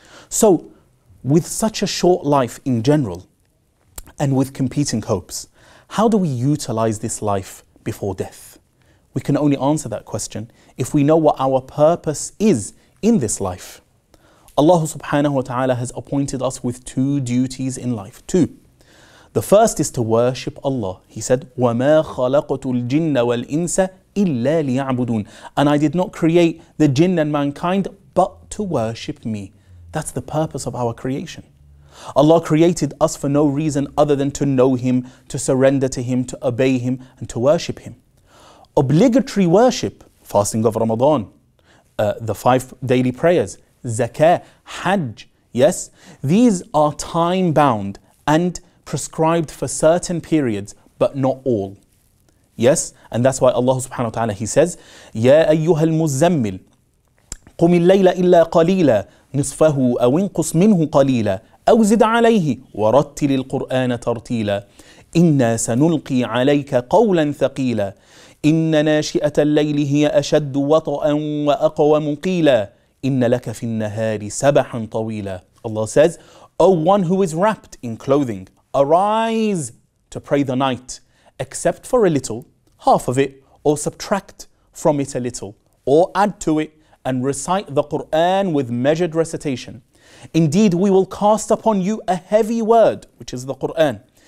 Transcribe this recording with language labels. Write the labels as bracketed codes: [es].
[en] So, with such a short life in general, and with competing hopes, how do we utilize this life before death? We can only answer that question if we know what our purpose is in this life. Allah subhanahu wa ta'ala has appointed us with two duties in life. Two. The first is to worship Allah. He said, [ar] وَمَا خَلَقْتُ الْجِنَّ وَالْإِنسَ إِلَّا لِيَعْبُدُونَ. [en] And I did not create the jinn and mankind but to worship me. That's the purpose of our creation. Allah created us for no reason other than to know Him, to surrender to Him, to obey Him, and to worship Him. Obligatory worship, fasting of Ramadan, the five daily prayers, zakah, hajj, yes? These are time-bound and prescribed for certain periods, but not all. Yes, and that's why Allah subhanahu wa ta'ala, he says, [ar] يَا أَيُّهَا الْمُزَّمِّلِ قُمِ اللَّيْلَ إِلَّا قَلِيلًا نِصْفَهُ أَوِنْقُسْ مِنْهُ قَلِيلًا أَوْ زِدْ عَلَيْهِ وَرَتِّلِ الْقُرْآنَ تَرْتِيلًا إِنَّا سَنُلْقِي عَلَيْكَ قَوْلًا ثَقِيلًا إِنَّ نَاشِئَةَ اللَّيْلِ هِيَ أَشَدُّ وَطْأً وَأَقْوَمُ قِيلًا إِنَّ لَكَ فِي النَّهَارِ سَبَحًا طَوِيلًا. [en] Allah says, O one who is wrapped in clothing, arise to pray the night, except for a little, half of it, or subtract from it a little, or add to it, and recite the Qur'an with measured recitation. Indeed, we will cast upon you a heavy word, which is the Qur'an.